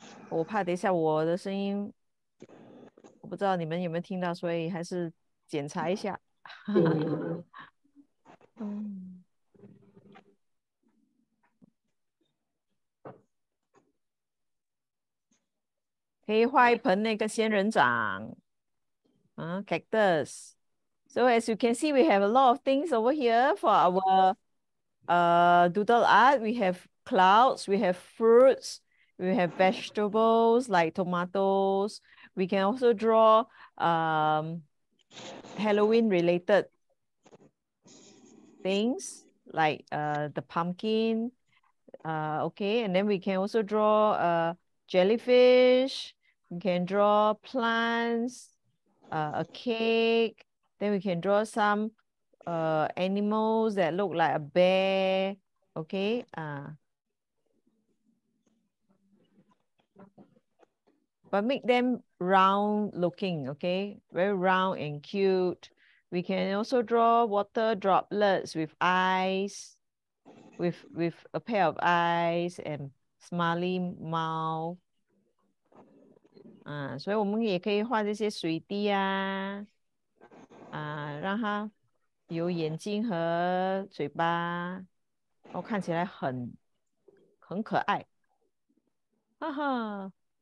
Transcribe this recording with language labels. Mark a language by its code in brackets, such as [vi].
[zh] 我怕等一下我的声音，我不知道你们有没有听到，所以还是检查一下。嗯。可以画一盆那个仙人掌。 [en] Cactus. So as you can see, we have a lot of things over here for our doodle art. We have clouds, we have fruits, we have vegetables like tomatoes. We can also draw Halloween related things like the pumpkin. Okay, and then we can also draw jellyfish. We can draw plants. A cake, then we can draw some animals that look like a bear, okay? But make them round looking, okay? Very round and cute. We can also draw water droplets with eyes, with a pair of eyes and smiley mouth. [zh] 所以我们也可以画这些水滴啊，让它有眼睛和嘴巴，哦，看起来很可爱，哈哈。